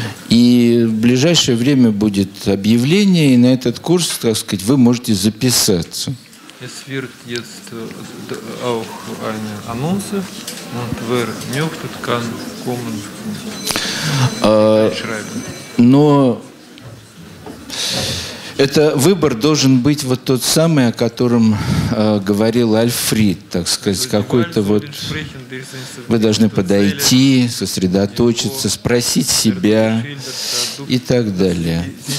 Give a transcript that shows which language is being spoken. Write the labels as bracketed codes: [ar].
[ru] И в ближайшее время будет объявление, и на этот курс, так сказать, вы можете записаться. [de] Es wird jetzt auch eine Annonce und wer möchte, kann kommen. [ru] Но это выбор должен быть вот тот самый, о котором говорил Альфрид, так сказать, какой-то вот... Вы должны подойти, сосредоточиться, спросить себя и так далее.